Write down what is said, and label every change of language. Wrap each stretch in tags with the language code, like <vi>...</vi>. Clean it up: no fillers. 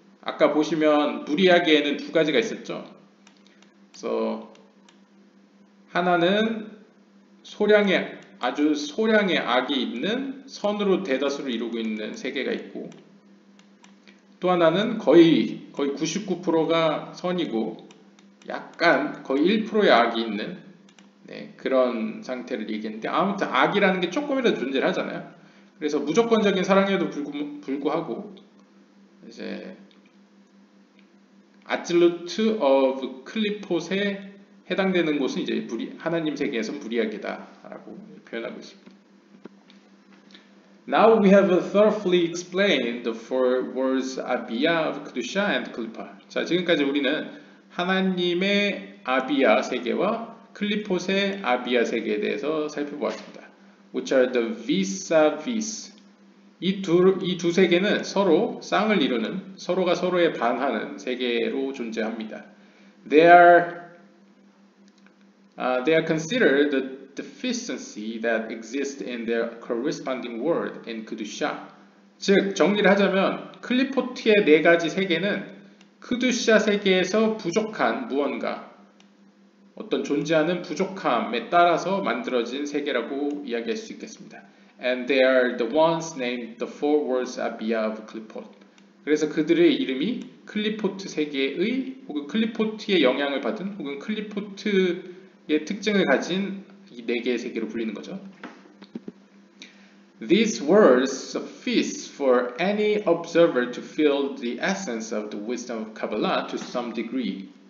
<ko>아까 보시면 무리하게는 두 가지가 있었죠. 그래서 하나는 소량의 아주 소량의 악이 있는 선으로 대다수를 이루고 있는 세계가 있고 또 하나는 거의 99%가 선이고 약간 거의 1%의 악이 있는 네, 그런 상태를 얘기했는데 아무튼 악이라는 게 조금이라도 존재를 하잖아요. 그래서 무조건적인 사랑에도 불구하고 이제 아틀루트 of 클리폿에 해당되는 곳은 이제 하나님 세계에서 불이하게다 라고 표현하고 있습니다.</ko> <en>Now we have thoroughly explained the four words Abia of Kedusha and Klippa.</en> <ko>자, 지금까지 우리는 하나님의 아비야 세계와 클리포트의 아비야 세계에 대해서 살펴보았습니다.</ko> <en>which are the vis-a-vis.</en> <ko>이 두 세계는 서로 쌍을 이루는, 서로가 서로에 반하는 세계로 존재합니다.</ko> <en>They are considered the deficiency that exists in their corresponding world in Kudusha.</en> <ko>즉, 정리를 하자면 클리포트의 네 가지 세계는 크두샤 세계에서 부족한 무언가, 어떤 존재하는 부족함에 따라서 만들어진 세계라고 이야기할 수 있겠습니다.</ko> <en>And they are the ones named the four worlds Abhya of Kliport.</en> <ko>그래서 그들의 이름이 클리포트 세계의 혹은 클리포트의 영향을 받은 혹은 클리포트의 특징을 가진 이 네 개의 세계로 불리는 거죠.</ko> <en>These words suffice for any observer to feel the essence of the wisdom of Kabbalah to some degree.</en>